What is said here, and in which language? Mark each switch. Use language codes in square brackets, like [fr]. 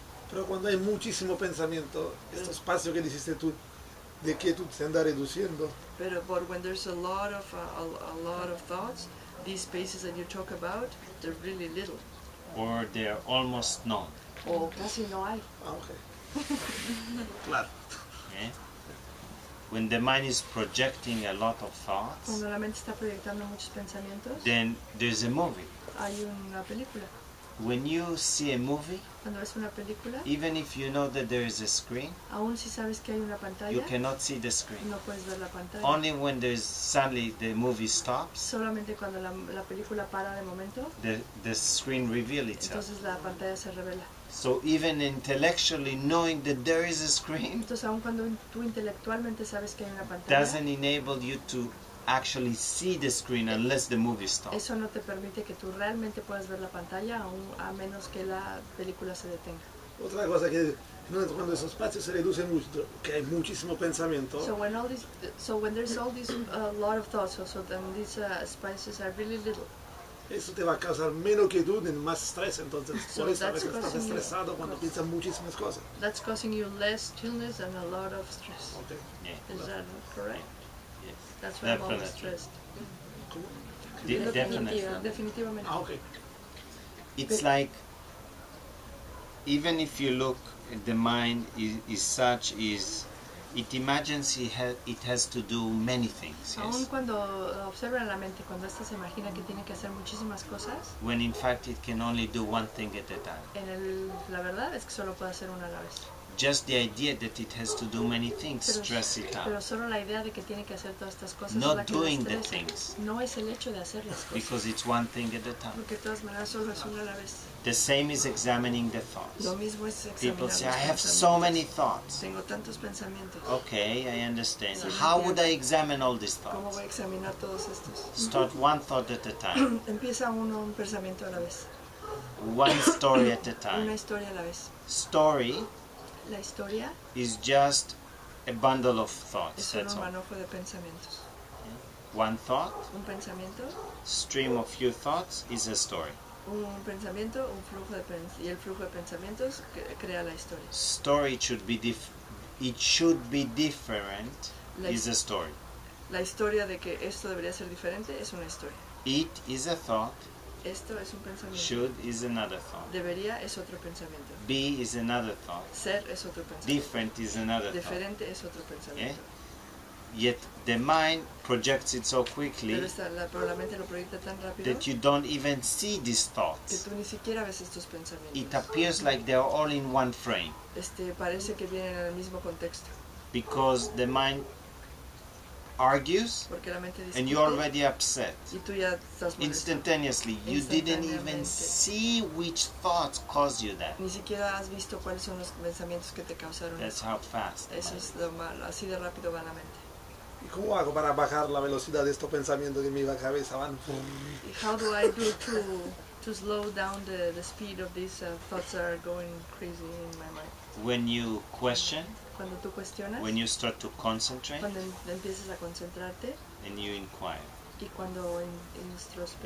[es] Pero cuando hay muchísimo pensamiento, este espacio que dijiste tú, de quietud se anda reduciendo. [en] But when there's a lot of thoughts, these spaces that you talk about, they're really little. Or they're almost none. [es] O casi no hay. Ah, okay. Claro. [en] Yeah. When the mind is projecting a lot of thoughts, [es] cuando la mente está proyectando muchos pensamientos, [en] then there's a movie. [es] Hay una película. [en] When you see a movie, [es] cuando ves una película, [en] even if you know that there is a screen, [es] aun si sabes que hay una pantalla, [en] you cannot see the screen. [es] No puedes ver la pantalla. [en] Only when there is suddenly the movie stops, [es] solamente cuando la película para de momento, [en] the screen reveals itself. [es] Entonces la pantalla se revela. [en] So even intellectually knowing that there is a screen, [es] entonces aun cuando tú intelectualmente sabes que hay una pantalla, [en] doesn't enable you to actually see the screen unless the movie stops. [es] Eso no te permite que tú realmente puedas ver la pantalla a menos que la película se detenga. Otra cosa que cuando esos espacios se reducen mucho, que hay muchísimo pensamiento. [en] So when there's all these lot of thoughts, spaces are really little. [es] Eso te va a causar menos quietud y más estrés, entonces por eso a veces estás estresado cuando piensas muchísimas cosas. [en] That's causing you less chillness and a lot of stress. Okay. Yeah. Is that correct? Yeah. That's why I'm always stressed. Definitely. Ah, okay. It's like, even if you look at the mind, is such is it imagines it has to do many things. [es] Aun cuando observa en la mente, cuando esta se imagina que tiene que hacer muchísimas cosas. [en] When in fact it can only do one thing at a time. [es] En el, la verdad es que solo puede hacer una a la vez. [en] Just the idea that it has to do many things stresses it out. [es] Pero solo la idea de que tiene que hacer todas estas cosas. [en] Not doing the things. [es] No es el hecho de hacer las cosas. [en] Because it's one thing at a time. [es] Porque de todas maneras solo es una a la vez. [en] The same is examining the thoughts. [es] Lo mismo es examinar. [en] People say, I have so many thoughts. [es] Tengo tantos pensamientos. [en] Okay, I understand. How would I examine all these thoughts? [es] ¿Cómo voy a examinar todos estos? [en] Start one thought at a time. [es] Empieza uno un pensamiento a la vez. [en] One story at a time. [es] Una historia a la vez. [en] Story. [es] La historia [en] is just a bundle of thoughts. [es] Es un manojo de pensamientos. [en] One thought. [es] Un pensamiento. [en] Stream of few thoughts is a story. [es] Un pensamiento, un flujo de y el flujo de pensamientos crea la historia. [en] Story should be it should be different is a story. [es] La historia de que esto debería ser diferente es una historia. [en] It is a thought. [es] Esto es un pensamiento. [en] Should is another thought. [es] Debería es otro pensamiento. [en] Be is another thought. [es] Ser es otro pensamiento. [en] Different is another [es] diferente [en] thought. [es] Diferente es otro pensamiento. [en] Yeah? Yet the mind projects it so quickly that you don't even see these thoughts. [es] Que tú ni siquiera ves estos pensamientos. [en] It appears like they are all in one frame. [es] Este, parece que vienen en el mismo contexto. [en] Because the mind argues, [es] porque la mente discute, [en] and you're already upset. [es] Y tú ya estás molesto. [en] Instantaneously, you didn't even see which thoughts caused you that. [es] Ni siquiera has visto cuáles son los pensamientos que te causaron. [en] That's how fast. [es] Eso es lo malo. Así de rápido va la mente. ¿Y cómo hago para bajar la velocidad de estos pensamientos que en mi cabeza van? [en] How do I do to slow down the speed of these thoughts that are going crazy in my mind? When you question, [es] cuando tú cuestionas, [en] when you start to concentrate, [es] cuando empiezas a concentrarte, [en] and you inquire, [es] y cuando introspeccionas,